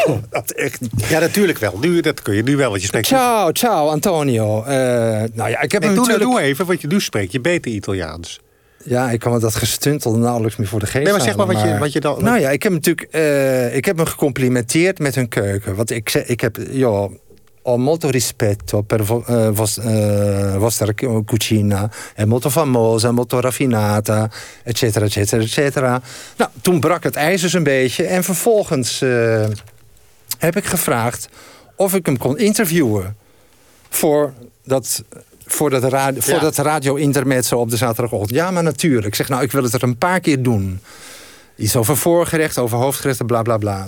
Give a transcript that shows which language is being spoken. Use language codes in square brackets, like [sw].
[nl] dat echt niet. Ja, natuurlijk wel. Nu, dat kun je nu wel, want je spreekt... Ciao, Antonio. Ik heb Doe even, want je nu spreekt je beter Italiaans. Ja, ik kan me dat gestuntel nauwelijks meer voor de geest halen. Nee, maar zeg maar wat je dan... Nou ja, ik heb natuurlijk... ik heb me gecomplimenteerd met hun keuken. Want ik heb... [it] ho molto rispetto per vostra cucina, è molto famosa, molto raffinata, eccetera, eccetera, eccetera. [nl] Nou, toen brak het ijs dus een beetje en vervolgens heb ik gevraagd of ik hem kon interviewen voor dat radio intermezzo op de zaterdagochtend. Ja, maar natuurlijk. Ik zeg, nou, ik wil het er een paar keer doen. Iets over voorgerecht, over hoofdgerechten, bla, bla, bla.